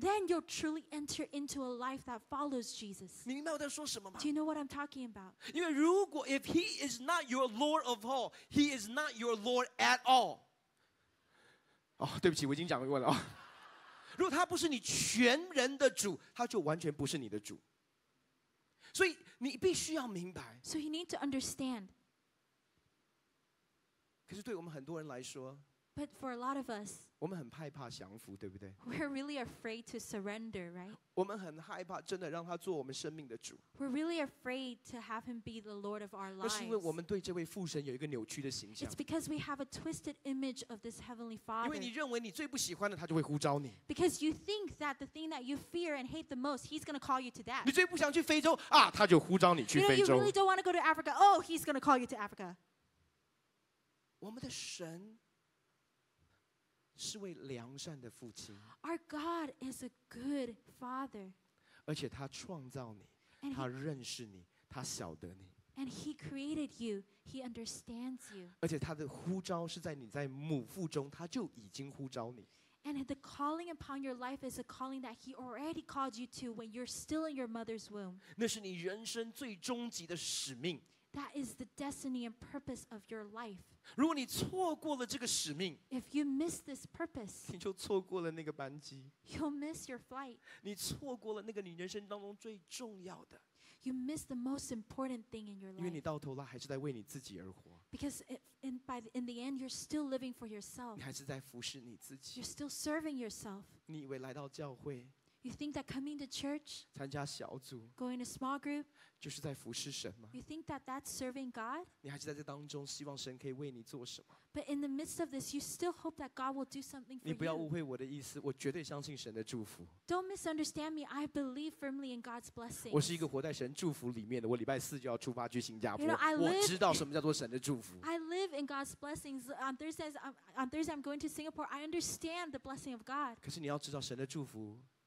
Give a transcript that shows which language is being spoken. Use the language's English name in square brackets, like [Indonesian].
[English] Then you'll truly enter into a life that follows Jesus. [Chinese] 你明白我在说什么吗? [English] Do you know what I'm talking about? [Chinese] 因为如果, [English] if he is not your Lord of all, he is not your Lord at all. [Chinese] 哦,对不起,我已经讲过了。如果他不是你全人的主,他就完全不是你的主。所以你必须要明白, [English] so you need to understand. [Chinese] 可是对我们很多人来说, [English] but for a lot of us, [Chinese] 我们很害怕降服, [English] we're really afraid to surrender, right? [Chinese] 我们很害怕真的让他做我们生命的主。 [English] We're really afraid to have him be the Lord of our lives. [Chinese] 那是因为我们对这位父神有一个扭曲的形象。 [English] It's because we have a twisted image of this Heavenly Father. [Chinese] 因为你认为你最不喜欢的他就会呼召你。 [English] Because you think that the thing that you fear and hate the most, he's going to call you to that. [Chinese] 你最不想去非洲, 啊, 他就呼召你去非洲。 [English] You really don't want to go to Africa, oh, he's going to call you to Africa. [Chinese] 我们的神, [English] our God is a good Father. [Chinese] 而且他创造你, and, 他认识你, 他晓得你, [English] and he created you. He understands you. [Chinese] 而且他的呼召是在你在母腹中, 他就已经呼召你。 [English] And the calling upon your life is a calling that he already called you to when you're still in your mother's womb. [Chinese] 那是你人生最终极的使命。 [English] That is the destiny and purpose of your life. [Chinese] 如果你错过了这个使命, [English] if you miss this purpose, [Chinese] 你就错过了那个班机, [English] you'll miss your flight. [Chinese] 你错过了那个你人生当中最重要的, [English] you miss the most important thing in your life. [Chinese] 因为你到头来还是在为你自己而活, [English] because in the end, you're still living for yourself. [Chinese] 你还是在服侍你自己, [English] you're still serving yourself. [Chinese] 你以为来到教会, [English] you think that coming to church, [Chinese] 参加小组, [English] going to a small group, [Chinese] 就是在服侍神吗? [English] You think that that's serving God? [Chinese] 你还是在这当中希望神可以为你做什么? [English] But in the midst of this, you still hope that God will do something for you. [Chinese] 你不要误会我的意思, 我绝对相信神的祝福。 [English] Don't misunderstand me, I believe firmly in God's blessings. [Chinese] 我是一个活在神祝福里面的, 我礼拜四就要出发去新加坡。 [English] You know, [Chinese] I知道什么叫做神的祝福。 [English] I live in God's blessings. On Thursday, I'm going to Singapore. I understand the blessing of God. [Chinese] 可是你要知道神的祝福,